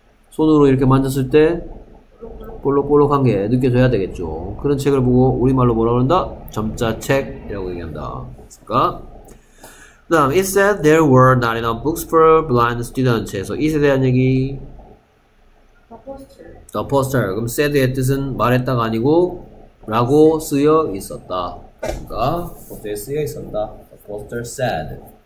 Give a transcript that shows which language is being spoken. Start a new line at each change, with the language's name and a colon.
Korean: 손으로 이렇게 만졌을 때 볼록볼록한 게 느껴져야 되겠죠. 그런 책을 보고 우리말로 뭐라 그런다? 점자책이라고 얘기한다. 그니까. 그 다음,
English: It said there were not enough books for blind students.
Korean: 그래서 it에 대한 얘기.
English: The poster.
Korean: 그럼 said의 뜻은 말했다가 아니고, 라고 쓰여 있었다. 그니까, 포스터에 쓰여 있었다.
English: The poster said.